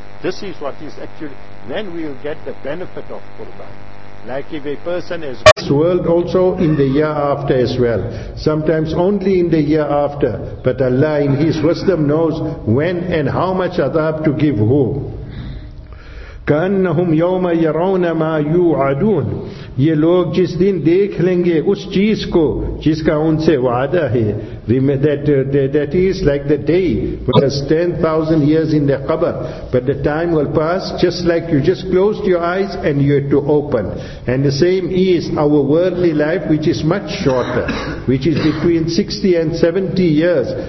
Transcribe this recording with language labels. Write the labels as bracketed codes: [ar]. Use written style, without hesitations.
[en] This is what is actually, then we will get the benefit of Qurban. Like if a person is this world also in the year after as well. Sometimes only in the year after. But Allah in His wisdom knows when and how much adab to give who. [ar] كَأَنَّهُمْ يَوْمَ يَرَوْنَ مَا يُوْعَدُونَ [ur] یہ لوگ جس دن دیکھ لیں گے اس چیز کو جس کا ان سے وعدہ ہے. [en] That is like the day, because 10,000 years in the qabr, but the time will pass just like you just closed your eyes and you had to open. And the same is our worldly life, which is much shorter, which is between 60 and 70 years.